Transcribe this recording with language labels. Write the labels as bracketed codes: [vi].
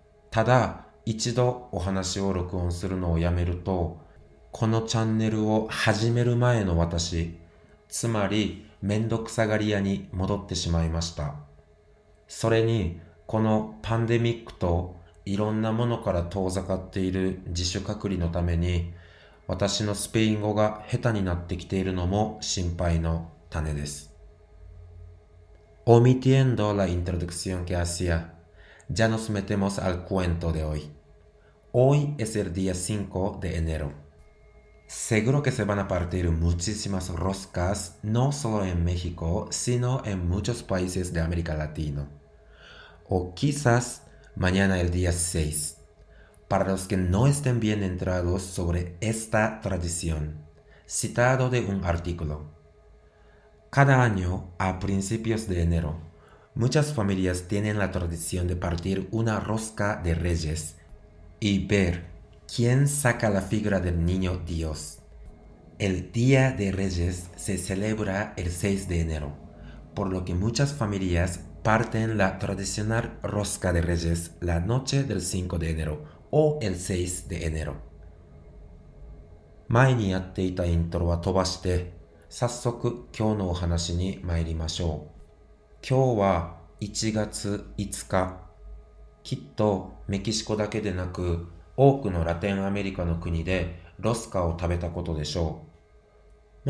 [ja] ただ、一度お話を録音するのをやめると、このチャンネルを始める前の私、つまり面倒くさがり屋に戻ってしまいました。それに、このパンデミックといろんなものから遠ざかっている自主隔離のために、私のスペイン語が下手になってきているのも心配の種です。 [es] Omitiendo la introducción que hacía, ya nos metemos al cuento de hoy. Hoy es el día 5 de enero. Seguro que se van a partir muchísimas roscas, no solo en México, sino en muchos países de América Latina. O quizás mañana el día 6, para los que no estén bien entrados sobre esta tradición, citado de un artículo. Cada año, a principios de enero, muchas familias tienen la tradición de partir una rosca de reyes y ver quién saca la figura del niño Dios. El Día de Reyes se celebra el 6 de enero, por lo que muchas familias parten la tradicional rosca de reyes la noche del 5 de enero o el 6 de enero. [ja] 前にやっていたイントロは飛ばして、早速今日のお話に参りましょう。今日は1月5日。きっとメキシコだけでなく、多くのラテンアメリカの国でロスカを食べたことでしょう。